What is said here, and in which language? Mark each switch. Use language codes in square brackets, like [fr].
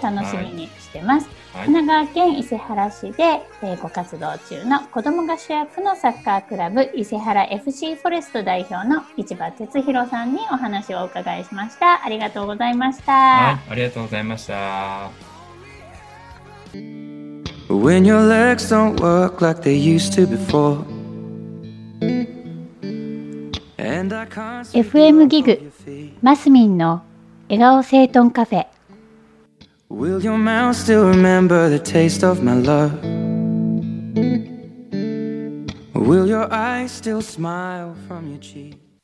[ja] 楽しみにしてます。はい、神奈川県伊勢原市で、ご活動中の子どもが主役のサッカークラブ伊勢原 FC フォレスト代表の市場哲博さんにお話をお伺いしました。ありがとうございました。はい、ありがとうございました。 [en] When your legs don't work like they used to before and I can't see your feet. FM ギグマスミンの笑顔整頓カフェ。 Will your mouth still remember the taste of my love? Will your eyes still smile from your cheek?